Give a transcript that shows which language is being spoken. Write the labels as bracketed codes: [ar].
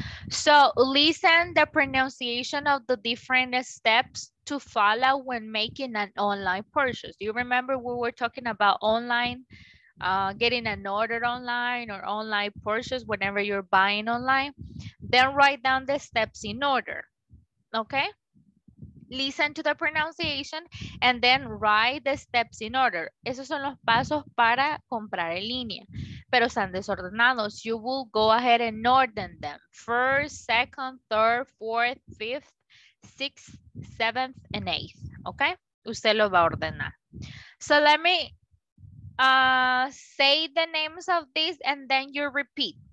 [en] So listen the pronunciation of the different steps to follow when making an online purchase. Do you remember we were talking about online, getting an order online or online purchase whenever you're buying online? Then write down the steps in order, okay? Listen to the pronunciation and then write the steps in order. [es] Esos son los pasos para comprar en línea. Pero están desordenados. [en] You will go ahead and order them. First, second, third, fourth, fifth, sixth, seventh, and eighth. Okay? [es] Usted lo va a ordenar. [en] So let me say the names of these and then you repeat.